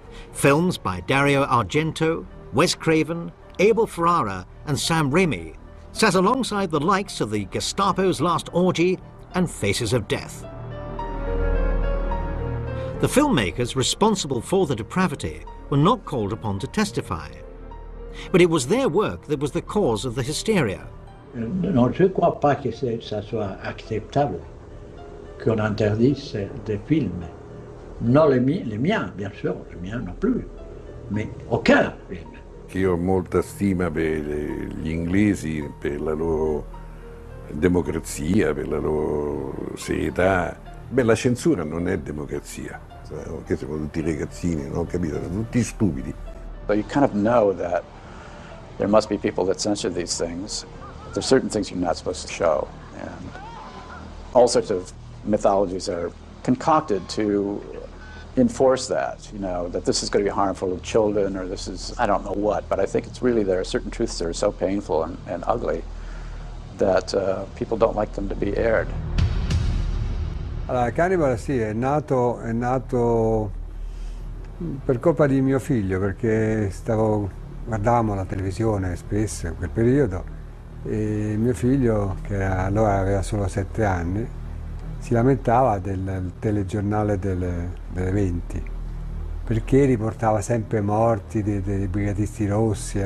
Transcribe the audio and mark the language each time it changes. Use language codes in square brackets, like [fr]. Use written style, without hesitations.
[en] Films by Dario Argento, Wes Craven, Abel Ferrara and Sam Raimi sat alongside the likes of The Gestapo's Last Orgy and Faces of Death. The filmmakers responsible for the depravity were not called upon to testify. But it was their work that was the cause of the hysteria. [fr] Non je crois pas que ça soit acceptable qu'on interdise des films. Non les miens, bien sûr, les miens non plus, mais aucun film. [it] Io ho molta stima per gli inglesi, per la loro democrazia, per la loro serietà. Beh, la censura non è democrazia. Che sono tutti ragazzini, non ho capito, sono tutti stupidi. [en] But you kind of know that there must be people that censor these things. There's certain things you're not supposed to show, and all sorts of mythologies are concocted to enforce that, you know, that this is going to be harmful to children, or this is, I don't know what, but I think it's really there are certain truths that are so painful and ugly that people don't like them to be aired. [it] Allora, Cannibal, sì, è nato per colpa di mio figlio, perché guardavamo la televisione spesso in quel periodo, e mio figlio, che allora aveva solo 7 anni, si lamentava del telegiornale delle 20, perché riportava sempre morti dei brigatisti rossi.